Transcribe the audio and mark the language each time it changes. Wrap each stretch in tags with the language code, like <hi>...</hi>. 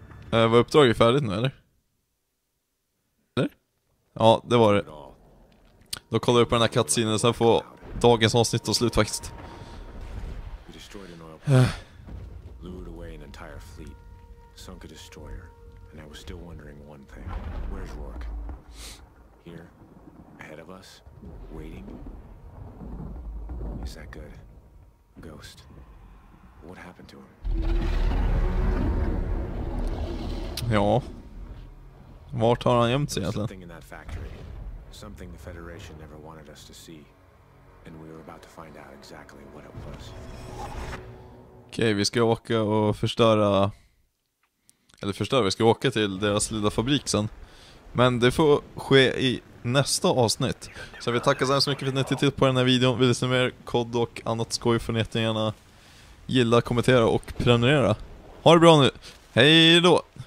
<sv>Var uppdraget färdigt nu eller? Eller? Ja, det var det. Då kollar jag på den här cutscene och sen får dagens avsnitt ta slut faktiskt.</sv> <en>Lured away an entire fleet, sunk a destroyer, and I was still wondering one thing. Where's Rourke? Here, ahead of us, waiting. Is that good? Ghost. What happened to him?</en> <sv>Ja. Vart har han gömt sig egentligen?</sv> <en>Something in that factory. Something the Federation never wanted us to see. And we were about to find out exactly what it was.</en> <sv>Okej, vi ska åka och förstöra... Eller förstöra, vi ska åka till deras lilla fabrik sen. Men det får ske i nästa avsnitt. Så jag vill tacka så mycket för att ni tittade på den här videon. Vill ni se mer kod och annat skoj får ni gärna gilla, kommentera och prenumerera. Ha det bra nu! Hej då!</sv>